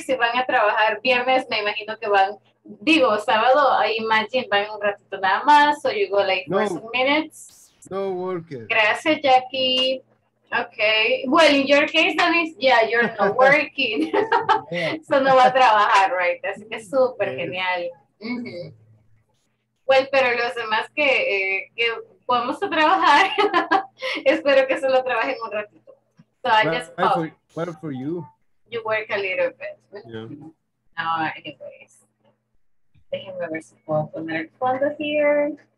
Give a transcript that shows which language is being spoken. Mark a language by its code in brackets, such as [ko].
[es] Si van a trabajar viernes, me imagino que van, digo, sábado, [en] I imagine [es] van un ratito nada más. [en] So you go like for some minutes. No worker. [es] Gracias, Jackie. [en] Okay, well, in your case, Dennis, yeah, you're not working, so [es] no va a trabajar, [en] right? [es] Así que súper genial. Mm-hmm. Well, pero los demás que podemos trabajar, espero que solo trabajen un ratito. [en] So I just pop. What for you? You work a little bit. Yeah. No, anyways. [es] Déjenme ver si puedo poner el fondo [en] here.